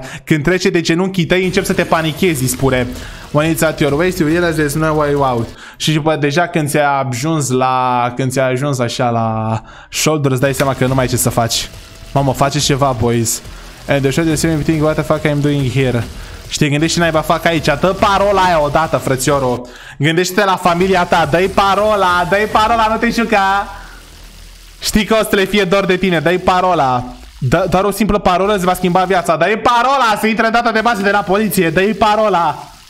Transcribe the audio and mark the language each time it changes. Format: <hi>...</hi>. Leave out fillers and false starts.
<ro>Când trece de genunchii tăi, încep să te panichezi, spune.</ro> <en>When it's at your waist, you realize there's no way out.</en> <ro>Și bă, deja când ți-a ajuns așa la shoulder, îți dai seama că nu mai ai ce să faci. Mamă, face ceva, boys.</ro> <en>And the shoulder, same thing, what the fuck I'm doing here.</en> <ro>Și te gândești ce naiba fac aici. Dă parola aia odată, frățioro. Gândește-te la familia ta. Dă-i parola, nu te juca. Știi că o să le fie dor de tine. Dă-i parola. Doar o simplă parolă îți va schimba viața. Dă-i parola să intre în data de bază de la poliție. Dă-i parola.</ro>